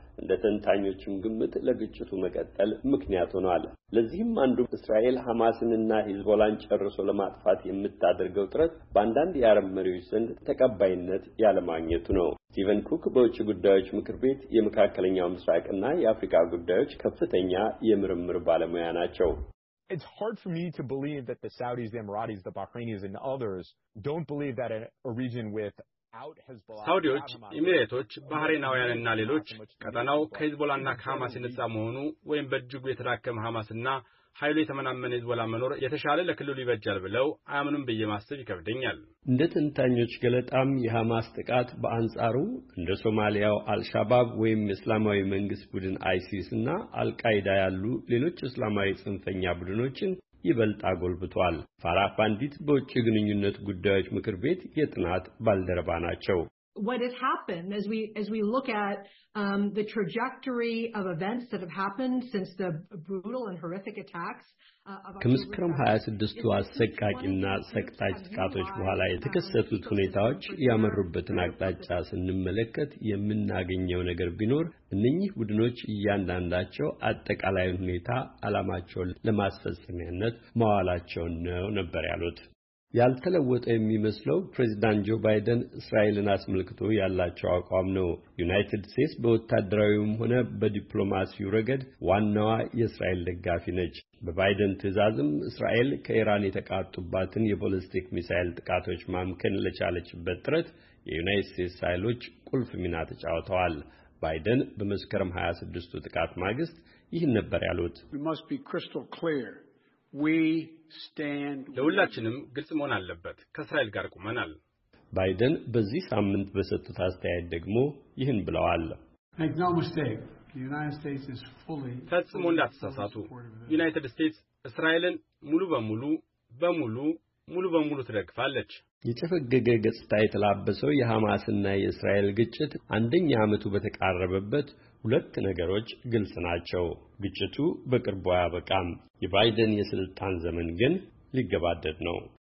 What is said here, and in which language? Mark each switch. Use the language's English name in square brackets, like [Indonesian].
[Amharic] ለተንታኞችም ግምት ለግጭቱ መቀጠል ምክንያት ሆኗል። ለዚህም አንዱ እስራኤል ሐማስንና ሂዝቦላን ጨርሶ ለማጥፋት የምታደርገው ጥረት በአንዳንድ የአረብ መሪዎች ዘንድ ተቀባይነት ያለማግኘቱ ነው። ስቲቨን ኩክ በውጭ ጉዳዮች ምክር ቤት የመካከለኛው ምስራቅና የአፍሪካ ጉዳዮች ከፍተኛ የምርምር ባለሙያ ናቸው። [English] It's hard for me to believe that the Saudis, the Emiratis, the Bahrainis and others don't believe that a region with [Amharic] ሳውዲዎች ኢሚሬቶች ባህሬናውያንና ሌሎች ቀጠናው ከሂዝቦላና ከሐማስ ንጻ መሆኑ ወይም በእጅጉ የተዳከመ ሐማስና ኃይሉ የተመናመነ ሂዝቦላ መኖር የተሻለ ለክልሉ ይበጃል ብለው አያምኑም በየማስተብ ይከብደኛል። እንደ ተንታኞች ገለጣም የሐማስ ጥቃት በአንጻሩ እንደ ሶማሊያው አልሻባብ ወይም እስላማዊ መንግስት ቡድን አይሲስና አልቃይዳ ያሉ ሌሎች እስላማዊ ጽንፈኛ ቡድኖችን ይበልጣ ጎልብቷል። ፋራ ፋንዲት በውጭ ግንኙነት ጉዳዮች ምክር ቤት የጥናት ባልደረባ ናቸው። [English] What has happened as we look at the trajectory of events that have happened since the brutal and horrific attacks [Amharic] ከምስክረም 26ቱ አሰቃቂና ሰቅጣጭ ጥቃቶች በኋላ የተከሰቱት ሁኔታዎች ያመሩበትን አቅጣጫ ስንመለከት የምናገኘው ነገር ቢኖር እነኚህ ቡድኖች እያንዳንዳቸው አጠቃላይ ሁኔታ አላማቸውን ለማስፈጸሚያነት መዋላቸው ነው ነበር ያሉት። ያልተለወጠ የሚመስለው ፕሬዝዳንት ጆ ባይደን እስራኤልን አስመልክቶ ያላቸው አቋም ነው። ዩናይትድ ስቴትስ በወታደራዊም ሆነ በዲፕሎማሲው ረገድ ዋናዋ የእስራኤል ደጋፊ ነች። በባይደን ትዕዛዝም እስራኤል ከኢራን የተቃጡባትን የቦሊስቲክ ሚሳኤል ጥቃቶች ማምከን ለቻለችበት ጥረት የዩናይትድ ስቴትስ ኃይሎች ቁልፍ ሚና ተጫውተዋል። ባይደን በመስከረም 26ቱ ጥቃት ማግስት ይህን ነበር ያሉት። [English] We must be crystal clear. We stand [Amharic] ለሁላችንም ግልጽ መሆን አለበት ከእስራኤል ጋር ቆመናል። ባይደን በዚህ ሳምንት በሰጡት አስተያየት ደግሞ ይህን ብለዋል። [English] Make no mistake, the United States is fully [Amharic] ፈጽሞ እንዳትሳሳቱ United States እስራኤልን ሙሉ በሙሉ ትደግፋለች። የተፈገገ ገጽታ የተላበሰው የሐማስና የእስራኤል ግጭት አንደኛ አመቱ በተቃረበበት ሁለት ነገሮች ግልጽ ናቸው። ግጭቱ በቅርቡ ያበቃም የባይደን የስልጣን ዘመን ግን ሊገባደድ ነው።